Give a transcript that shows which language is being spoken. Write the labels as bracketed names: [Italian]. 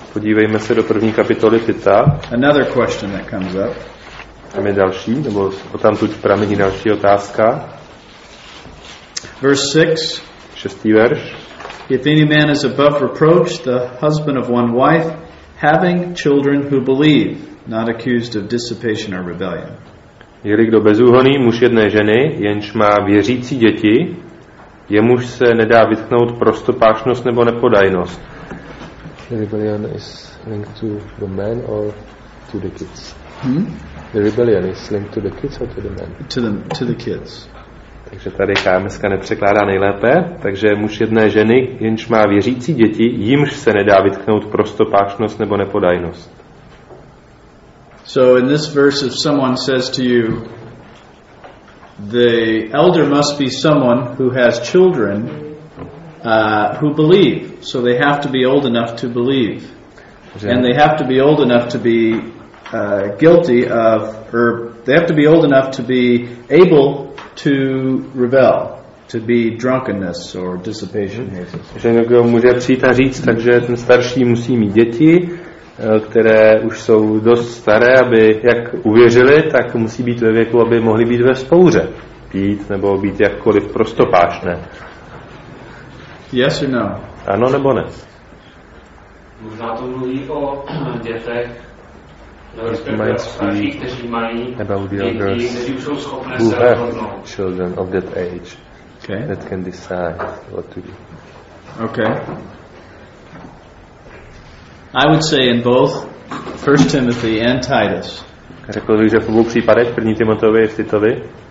[Czech] Podívejme se do první kapitoly Tita. [English] Another question that comes up. [Czech] Tam je další, nebo odtamtud pramení další otázka. [English] Verse 6. [Czech] Šestý verš. [English] If any man is above reproach, the husband of one wife, having children who believe, not accused of dissipation or rebellion. [Czech] Jeli kdo bezúhonný, muž jedné ženy, jenž má věřící děti, jemuž se nedá vytknout prostopášnost nebo nepodajnost. [English] The rebellion is linked to the man or to the kids? The rebellion is linked to the kids or to the man? To the kids. [Czech] Takže tady KMSka nepřekládá nejlépe. Takže muž jedné ženy, jenž má věřící děti, jimž se nedá vytknout prostopášnost nebo nepodajnost. [English] So in this verse, if someone says to you, the elder must be someone who has children who believe. So they have to be old enough to believe. And they have to be old enough to be guilty of, or they have to be old enough to be able to rebel, to be drunkenness or dissipation. [Czech] Že někdo může přijít a říct, takže ten starší musí mít děti, které už jsou dost staré, aby jak uvěřili, tak musí být ve věku, aby mohli být ve spouře, pít nebo být jakkoliv prostopášné. [English] Yes or no? [Czech] Ano nebo ne? Možná to mluví o dětech, [English] who have children of that age, okay, that can decide what to do. Okay. I would say in both 1 Timothy and Titus. [Czech] Řekl bych, že v obou případech, první Timotovi a Titovi.